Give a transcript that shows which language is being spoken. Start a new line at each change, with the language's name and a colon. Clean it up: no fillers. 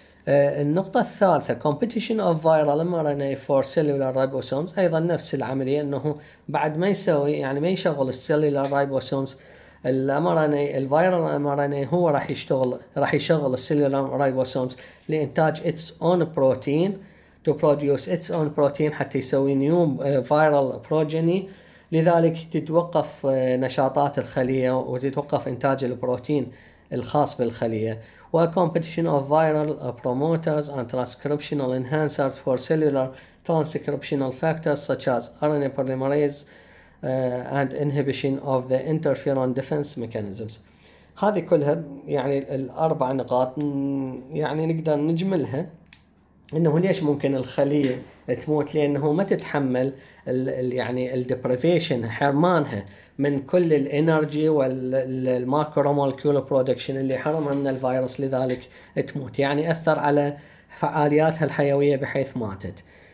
Arabic: النقطه الثالثه كومبيتيشن اوف فايرال ام ار ان اي فور سيلولار رايبوسومز، ايضا نفس العمليه انه بعد ما يسوي يعني ما يشغل السيلولار رايبوسومز الام ار ان اي الفايرال ام ار ان اي هو راح يشغل السيلولار رايبوسومز لانتاج اتس اون بروتين
English: to produce its own protein
Arabic: حتى يسوي new viral progeny، لذلك تتوقف نشاطات الخلية وتتوقف إنتاج البروتين الخاص بالخلية.
English: و competition of viral promoters and transcriptional enhancers for cellular transcriptional factors such as RNA polymerase and inhibition of the interferon defense mechanisms.
Arabic: هذه كلها يعني الأربع نقاط يعني نقدر نجملها انه ليش ممكن الخليه تموت، لانه ما تتحمل الـ يعني الديبريفيشن حرمانها من كل الانرجي والماكرو مولكيول برودكشن اللي حرمها من الفيروس لذلك تموت، يعني اثر على فعالياتها الحيويه بحيث ماتت.